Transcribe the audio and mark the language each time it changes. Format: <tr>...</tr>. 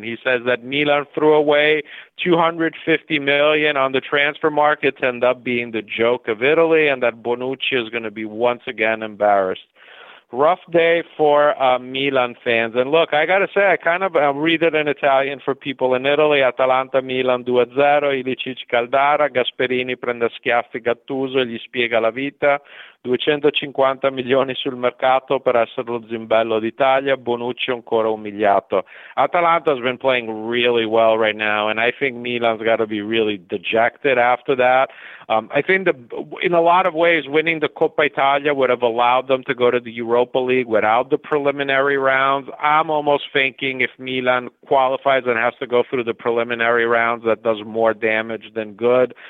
<en>And he says that Milan threw away $250 million on the transfer market to end up being the joke of Italy and that Bonucci is going to be once again embarrassed. Rough day for Milan fans. And look, I got to say, I'll read it in Italian for people in Italy.</en> <it>Atalanta, Milan 2-0, Ilicic, Caldara, Gasperini prende schiaffi, Gattuso, gli spiega la vita, 250 milioni sul mercato per essere lo zimbello d'Italia, Bonucci ancora umiliato.</it> <en>Atalanta's been playing really well right now, and I think Milan's got to be really dejected after that. I think in a lot of ways, winning the Coppa Italia would have allowed them to go to the Europa League without the preliminary rounds. I'm almost thinking if Milan qualifies and has to go through the preliminary rounds, that does more damage than good.</en>